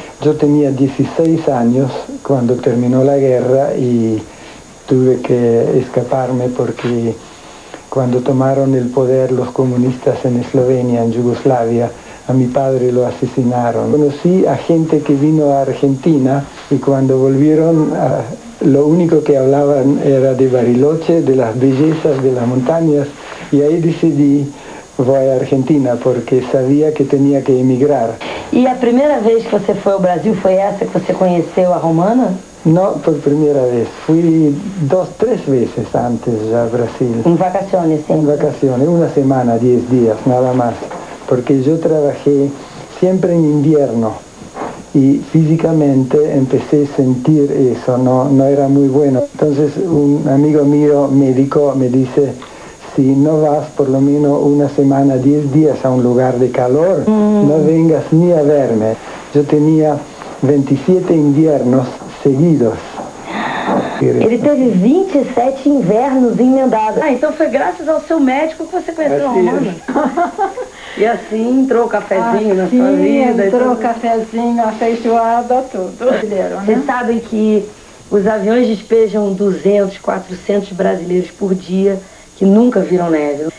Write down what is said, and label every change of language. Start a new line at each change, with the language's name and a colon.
Portuguese: Eu tinha 16 anos quando terminou a guerra e tive que escapar-me porque quando tomaram o poder os comunistas em Eslovênia, em Yugoslávia,
Spanish: a meu padre o assassinaram.
Portuguese: Conheci a gente que
Spanish: vino
Portuguese: à Argentina e quando voltaram a...
Spanish: Lo único que hablaban era de Bariloche, de las bellezas, de las montañas. Y ahí decidí, voy a Argentina, porque sabía que tenía que emigrar. ¿Y la primera vez que
Portuguese: você
Spanish: fue al Brasil fue esa
Portuguese: que você conheceu
Spanish: a Romana? No, por primera vez. Fui 2-3 veces antes ya a Brasil. ¿En vacaciones, sí? En vacaciones, una semana, 10 días, nada más. Porque yo trabajé siempre en invierno. Y físicamente empecé a sentir eso, no era muy bueno. Entonces un amigo mío, médico, me dice, si no vas por lo menos una semana, 10 días a un lugar de calor, no vengas ni a verme. Yo tenía 27 inviernos seguidos.
Portuguese: Ele teve 27 invernos emendados. Ah, então foi graças ao seu médico que você conheceu a Romana. E assim entrou o cafezinho na sua vida. Entrou o cafezinho, a feijoada, tudo. Vocês sabem que os aviões despejam 200, 400 brasileiros por dia que nunca viram neve.